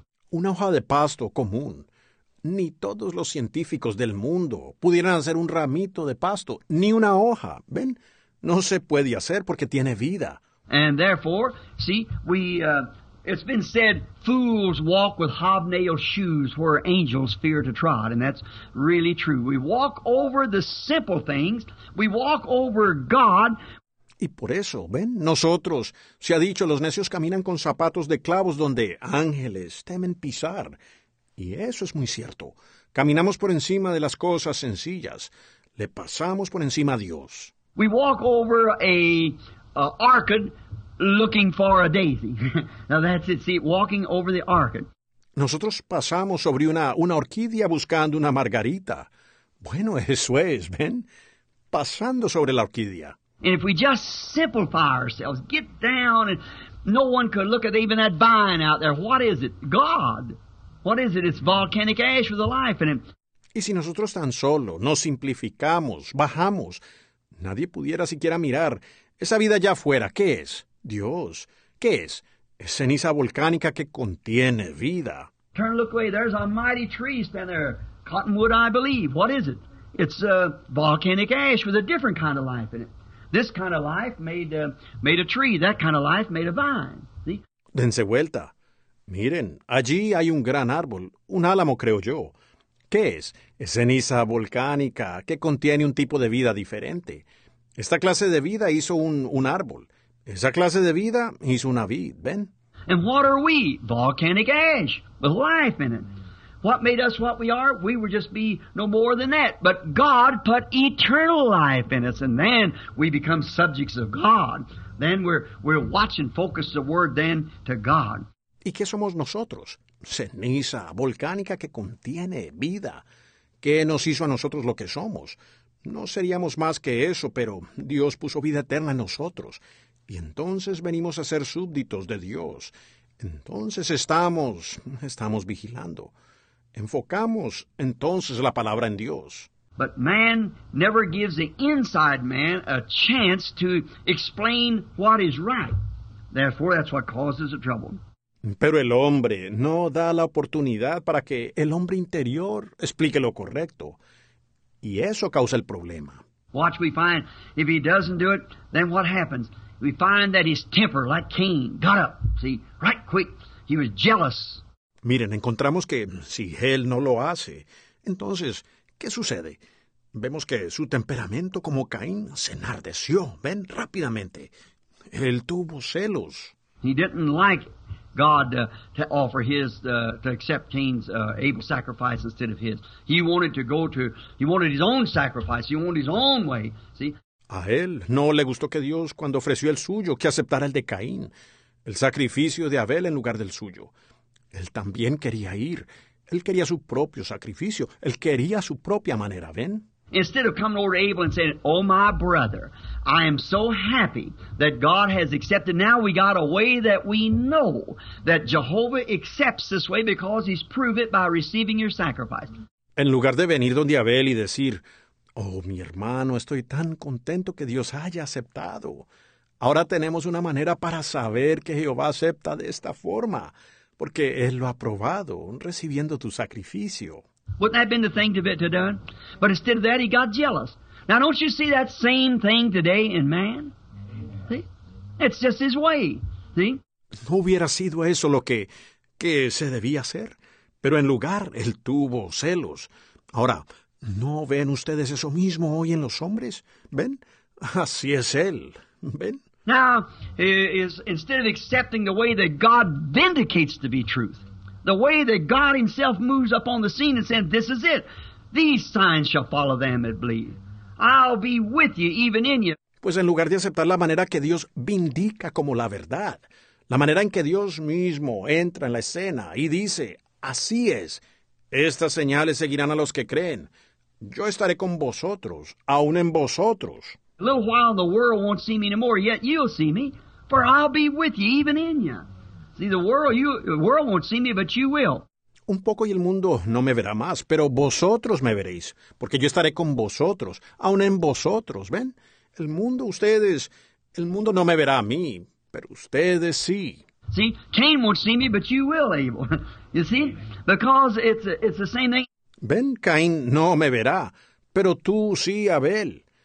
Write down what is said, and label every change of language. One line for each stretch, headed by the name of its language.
Spanish: Una hoja de pasto común. Ni todos los científicos del mundo pudieran hacer un ramito de pasto, ni una hoja. ¿Ven? No se puede hacer porque tiene vida.
English: And therefore, see, it's been said, fools walk with hobnailed shoes where angels fear to trot. And that's really true. We walk over the simple things. We walk over God.
Spanish: Y por eso, ¿ven? Nosotros, se ha dicho, los necios caminan con zapatos de clavos donde ángeles temen pisar. Y eso es muy cierto. Caminamos por encima de las cosas sencillas. Le pasamos por encima a Dios.
English: We walk over a orchid looking for a daisy. Now that's it, see, walking over the orchid.
Spanish: Nosotros pasamos sobre una orquídea buscando una margarita. Bueno, eso es, ¿ven? Pasando sobre la orquídea.
English: And if we just simplify ourselves, get down, and no one could look at even that vine out there. What is it? God. What is it? It's volcanic ash with a life in it.
Spanish: Y si nosotros tan solo nos simplificamos, bajamos, nadie pudiera siquiera mirar esa vida allá afuera. ¿Qué es? Dios. ¿Qué es? Es ceniza volcánica que contiene vida.
English: Turn, look away. There's a mighty tree standing there. Cottonwood, I believe. What is it? It's volcanic ash with a different kind of life in it. This kind of life made a tree. That kind of life made a vine. See?
Spanish: Dense vuelta. Miren, allí hay un gran árbol, un álamo, creo yo. ¿Qué es? Es ceniza volcánica que contiene un tipo de vida diferente. Esta clase de vida hizo un árbol. Esa clase de vida hizo una vid, ¿ven?
English: And what are we? Volcanic ash, with life in it. What made us what we are? We would just be no more than that. But God put eternal life in us, and then we become subjects of God. Then we're watching, focus the word then to God.
Spanish: ¿Y qué somos nosotros? Ceniza volcánica que contiene vida. ¿Qué nos hizo a nosotros lo que somos? No seríamos más que eso, pero Dios puso vida eterna en nosotros. Y entonces venimos a ser súbditos de Dios. Entonces estamos vigilando. Enfocamos entonces la palabra en Dios.
English: But man never gives the inside man a chance to explain what is right. Therefore, that's what causes the trouble.
Spanish: Pero el hombre no da la oportunidad para que el hombre interior explique lo correcto. Y eso causa el problema.
English: Watch, we find, if he doesn't do it, then what happens? We find that his temper, like Cain, got up. See, right quick, he was jealous.
Spanish: Miren, encontramos que si él no lo hace, entonces, ¿qué sucede? Vemos que su temperamento como Caín se enardeció, ven, rápidamente. Él tuvo celos.
English: He didn't like God to offer his, to accept Cain's Abel's sacrifice instead of his. He wanted his own sacrifice. He wanted his own way. See?
Spanish: A él no le gustó que Dios, cuando ofreció el suyo, que aceptara el de Caín, el sacrificio de Abel en lugar del suyo. Él también quería ir. Él quería su propio sacrificio. Él quería su propia manera. ¿Ven?
English: Instead of coming over to Abel and saying, oh, my brother, I am so happy that God has accepted. Now we got a way that we know that Jehovah accepts this way because he's proved it by receiving your sacrifice.
Spanish: En lugar de venir donde Abel y decir, oh, mi hermano, estoy tan contento que Dios haya aceptado. Ahora tenemos una manera para saber que Jehová acepta de esta forma, porque él lo ha probado recibiendo tu sacrificio.
English: Wouldn't that have been the thing to have done? But instead of that, he got jealous. Now, don't you see that same thing today in man? See? It's just his way. See?
Spanish: ¿No hubiera sido eso lo que se debía hacer? Pero en lugar, él tuvo celos. Ahora, ¿no ven ustedes eso mismo hoy en los hombres? ¿Ven? Así es él. ¿Ven?
English: Now, instead of accepting the way that God vindicates to be truth, the way that God himself moves up on the scene and says, this is it. These signs shall follow them that believe. I'll be with you, even in you.
Spanish: Pues en lugar de aceptar la manera que Dios vindica como la verdad, la manera en que Dios mismo entra en la escena y dice, así es, estas señales seguirán a los que creen. Yo estaré con vosotros, aún en vosotros.
English: A little while the world won't see me anymore, yet you'll see me, for I'll be with you, even in you. See, the world won't see me, but you will.
Spanish: Un poco y el mundo no me verá más, pero vosotros me veréis, porque yo estaré con vosotros, aún en vosotros. ¿Ven? El mundo, ustedes, el mundo no me verá a mí, pero ustedes sí.
English: See, Cain won't see me, but you will, Abel. You see? Because it's the same thing.
Spanish: ¿Ven? Cain no me verá, pero tú sí, Abel.